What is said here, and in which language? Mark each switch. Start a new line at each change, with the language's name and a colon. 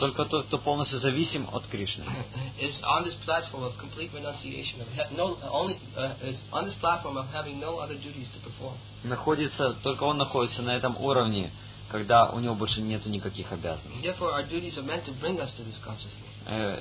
Russian: Только тот, кто полностью зависим от Кришны.
English: Is on this platform of complete renunciation of is on this platform of having no other duties to perform.
Russian: Только он находится на этом уровне, когда у него больше нет никаких обязанностей.
English: Therefore, our duties are meant to bring us to this consciousness.